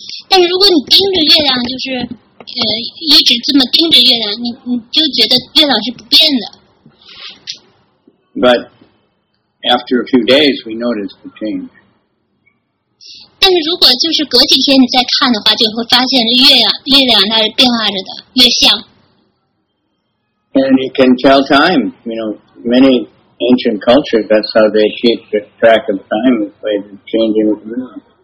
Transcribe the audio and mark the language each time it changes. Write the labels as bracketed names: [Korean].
[Chinese] 但如果你盯着月亮，就是一直这么盯着月亮，你就觉得月亮是不变的。 [English] But after a few days, we notice the change. [Chinese] 但是如果就是隔几天你再看的话，就会发现月亮它是变化着的，月相。 [English] And you can tell time. You know, many ancient cultures, that's how they keep track of time by changing the moon.